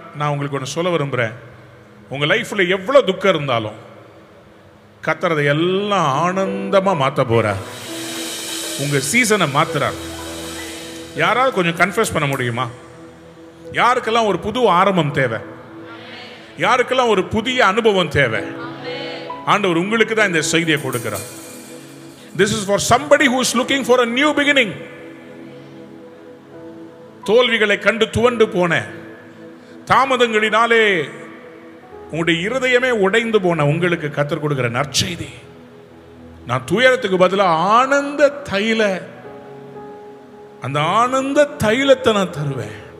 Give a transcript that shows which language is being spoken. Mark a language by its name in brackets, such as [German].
[Tamil] நான் உங்களுக்கு ஒன்று சொல்ல விரும்புறேன், உங்க லைஃப்ல எவ்வளவு துக்கம் இருந்தாலும் கர்த்தர் அதை எல்லாம் ஆனந்தமா மாத்த போறார். உங்க சீசனை மாத்துறார். யாராவது கொஞ்சம் கன்ஃபியூஸ் பண்ண முடியுமா? யாருக்கெல்லாம் ஒரு புது ஆரம்பம் தேவை? யாருக்கெல்லாம் ஒரு புதிய அனுபவம் தேவை? ஆண்டவர் உங்களுக்கு தான் இந்த செய்தியை கொடுக்கிறார். [English] This is for somebody who is looking for a new beginning. [Tamil] தோல்விகளை கண்டு துவண்டு போன, தாமதங்களினாலே உங்களுடைய இருதயமே உடைந்து போன உங்களுக்கு கத்தர் கொடுக்கிற நற்செய்தி, நான் துயரத்துக்கு பதிலாக ஆனந்த தைல, அந்த ஆனந்த தைலத்தை நான் தருவேன்.